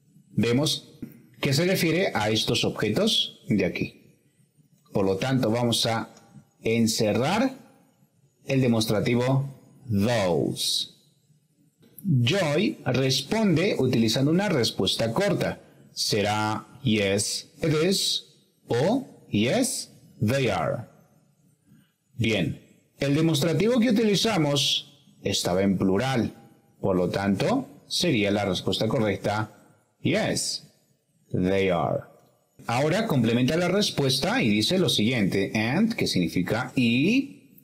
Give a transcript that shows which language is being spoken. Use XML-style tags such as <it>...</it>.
<es>Vemos que se refiere a estos objetos de aquí. Por lo tanto, vamos a encerrar el demostrativo those. Joy responde utilizando una respuesta corta.</es> <en>Será yes, it is o yes, they are.</en> <es>Bien, el demostrativo que utilizamos estaba en plural. Por lo tanto, sería la respuesta correcta. Yes, they are. Ahora complementa la respuesta y dice lo siguiente. And, que significa y.</es>